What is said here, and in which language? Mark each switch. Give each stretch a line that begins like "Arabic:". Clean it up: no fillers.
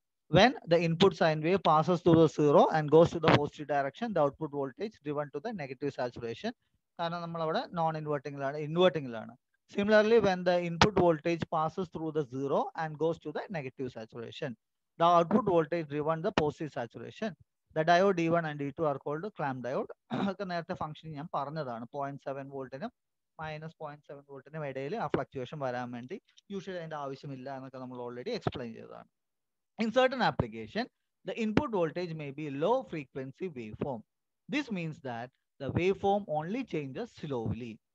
English: When the input sine wave passes through the zero and goes to the positive direction, the output voltage driven to the negative saturation.
Malayalam: കാരണം നമ്മൾ അവിടെ non ഇൻവെർട്ടിംഗിലാണ്, ഇൻവെർട്ടിംഗിലാണ്.
English: Similarly, when the input voltage passes through the zero and goes to the negative saturation, the output voltage driven the positive saturation. The diode D1 and D2 are called clamp diode.
Malayalam: ഒക്കെ നേരത്തെ function ഞാൻ പറഞ്ഞതാണ്. 0.7 വോൾട്ടിനും minus 0.7 വോൾട്ടിനും ഇടയിൽ ആ fluctuation വരാൻ വേണ്ടി usually അതിൻ്റെ ആവശ്യമില്ല എന്നൊക്കെ നമ്മൾ ഓൾറെഡി എക്സ്പ്ലെയിൻ ചെയ്തതാണ്.
English: In certain application the input voltage may be low frequency wave form. This means that the wave form only changes slowly.